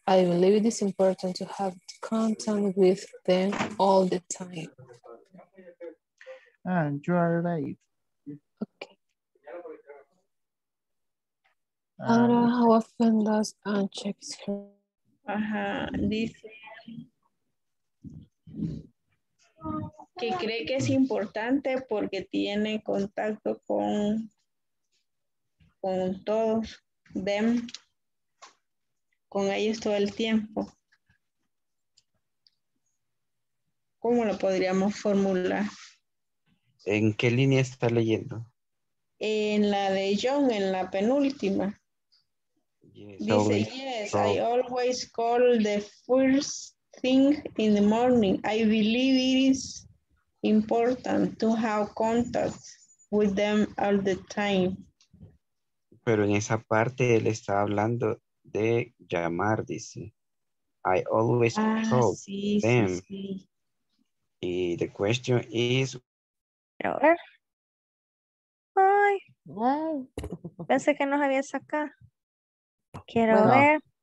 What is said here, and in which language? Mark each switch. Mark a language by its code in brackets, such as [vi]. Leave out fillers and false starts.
[en] I believe it is important to have contact with them all the time. And you are right. Okay. Ara, how often does Anne check his phone? [es] Dice que cree que es importante porque tiene contacto con todos, them, con ellos todo el tiempo. ¿Cómo lo podríamos formular? ¿En qué línea está leyendo? En la de John, en la penúltima. Yes, dice, always. [en] Yes, so, I always call the first thing in the morning. I believe it is important to have contact with them all the time. [es] Pero en esa parte él está hablando de llamar, dice. [en] I always call them. [es] Sí. [en] Y the question is... [es] Ay, pensé que nos había sacado. Quiero bueno, ver. No,